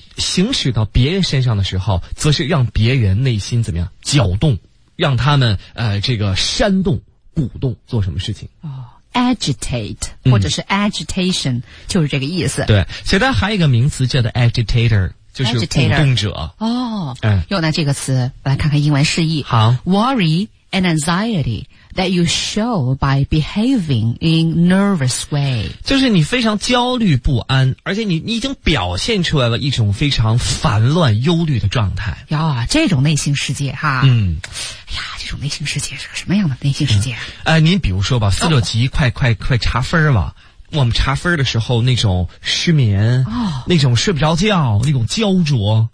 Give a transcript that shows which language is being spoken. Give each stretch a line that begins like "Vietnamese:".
Chinese: 行驶到别人身上的时候，则是让别人内心怎么样搅动，让他们这个煽动、鼓动做什么事情？ agitate 或者是 agitation，就是这个意思。对，其实它还有一个名词叫做 agitator， 就是鼓动者。用到这个词，来看看英文释义。好
English: ，worry and anxiety that you show by behaving in nervous way，
Chinese: 就是你非常焦虑不安，而且你已经表现出来了一种非常烦乱忧虑的状态。呀，这种内心世界哈，哎呀，这种内心世界是个什么样的内心世界？您比如说吧，4、6级，快查分吧。我们查分的时候，那种失眠，那种睡不着觉，那种焦灼。